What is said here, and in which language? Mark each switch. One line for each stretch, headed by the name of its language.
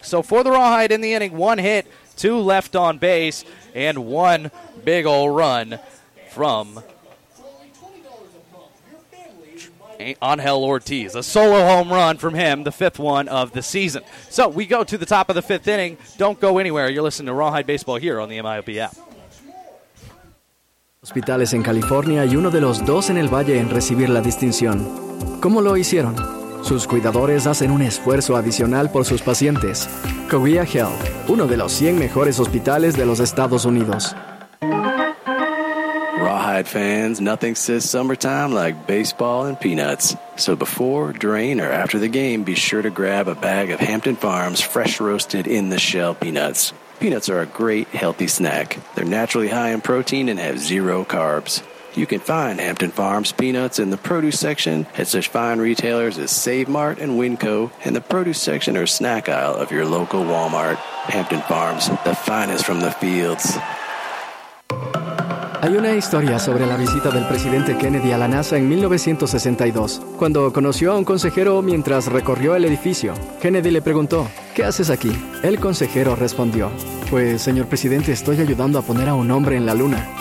English: So for the Rawhide in the inning, one hit, two left on base, and one big old run from Angel Ortiz. A solo home run from him, the fifth one of the season. So we go to the top of the fifth inning. Don't go anywhere. You're listening to Rawhide Baseball here on the MILB app.
Spanish: hospitales en California y uno de los dos en el Valle en recibir la distinción. ¿Cómo lo hicieron? Sus cuidadores hacen un esfuerzo adicional por sus pacientes. Covia Health, uno de los 100 mejores hospitales de los Estados Unidos.
English: Rawhide fans, nothing says summertime like baseball and peanuts. So before, during, or after the game, be sure to grab a bag of Hampton Farms fresh roasted in the shell peanuts. Peanuts are a great healthy snack. They're naturally high in protein and have zero carbs. You can find Hampton Farms peanuts in the produce section at such fine retailers as Save Mart and Winco, and the produce section or snack aisle of your local Walmart. Hampton Farms, the finest from the fields.
Spanish: Hay una historia sobre la visita del presidente Kennedy a la NASA en 1962, cuando conoció a un consejero mientras recorrió el edificio. Kennedy le preguntó, ¿qué haces aquí? El consejero respondió, pues, señor presidente, estoy ayudando a poner a un hombre en la luna.